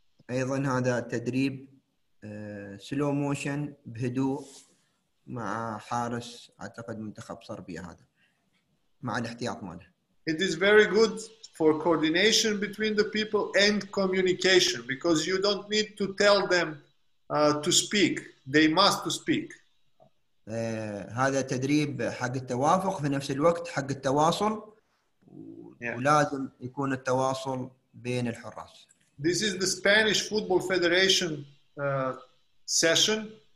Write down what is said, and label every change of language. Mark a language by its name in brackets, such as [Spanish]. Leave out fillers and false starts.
[Arabic] ايضا هذا تدريب سلو موشن بهدوء مع حارس اعتقد منتخب صربيا هذا مع الاحتياط ماله. [English] It is very good for coordination between the people and communication because you don't need to tell them to speak, they must to speak. [Arabic] هذا تدريب حق التوافق في نفس الوقت حق التواصل ولازم يكون التواصل بين الحراس. [English] This is the Spanish Football Federation session.